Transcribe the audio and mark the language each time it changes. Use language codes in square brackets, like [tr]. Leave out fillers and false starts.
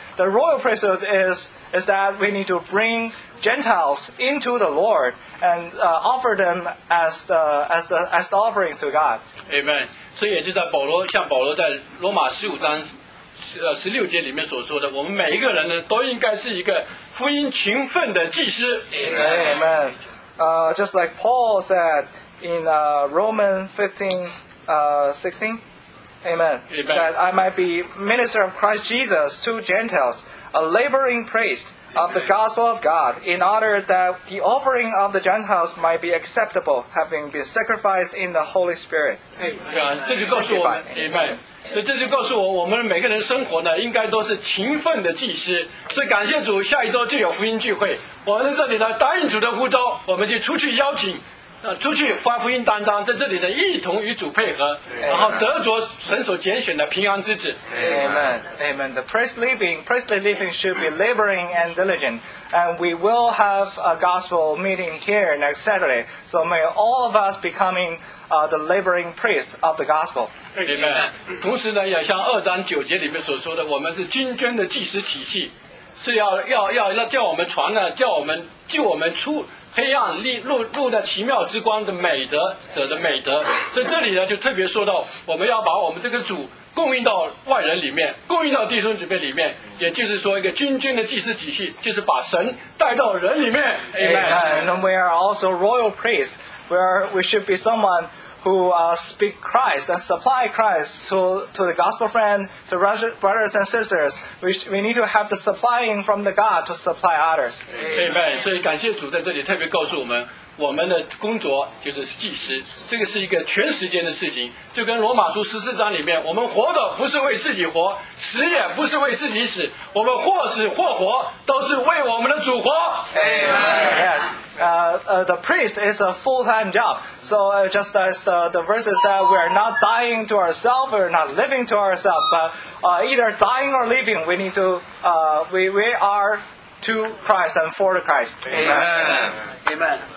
[en] The royal priesthood is that we need to bring Gentiles into the Lord and offer them as the offerings to God. Amen. [zh] 所以也就在保罗，像保罗在罗马十五章十六节里面所说的，我们每一个人呢，都应该是一个福音勤奋的祭司。 [en] Amen. Amen. Just like Paul said in Romans 15:16. Amen. Amen. That I might be minister of Christ Jesus to Gentiles, a laboring priest of the gospel of God, in order that the offering of the Gentiles might be acceptable, having been sacrificed in the Holy Spirit. Amen. [zh] 所以这就告诉我，我们每个人生活呢，应该都是勤奋的祭司。所以感谢主，下一周就有福音聚会。我们在这里呢，答应主的呼召，我们就出去邀请。出去发福音担当，在这里的一同与主配合，然后得着神所拣选的平安之子。 [en] Amen. Amen. The priestly living should be laboring and diligent. And we will have a gospel meeting here next Saturday. So may all of us becoming the laboring priest of the gospel. Amen. [zh] 同时呢，也像二章九节里面所说的，我们是军捐的祭司体系，是要叫我们传呢，叫我们救我们出黑暗力入的奇妙之光的美德者的美德。所以这里呢就特别说到，我们要把我们这个主供应到外人里面，供应到弟兄姊妹里面，也就是说一个君君的祭司体系，就是把神带到人里面。 [en] Amen. And we are also royal priests, where we should be someone who speak Christ and supply Christ to the gospel friend, to brothers and sisters. We need to have the supplying from the God to supply others. Amen. [zh] 所以感谢主在这里特别告诉我们，我们的工作就是祭司，这个是一个全时间的事情。就跟罗马书十四章里面，我们活的不是为自己活，死也不是为自己死，我们或死或活都是为我们的主活。 [en] Amen. Yes. The priest is a full-time job. So just as the verses said, we are not dying to ourselves, we are not living to ourselves, but either dying or living, we need to we are to Christ and for Christ. Amen. Amen.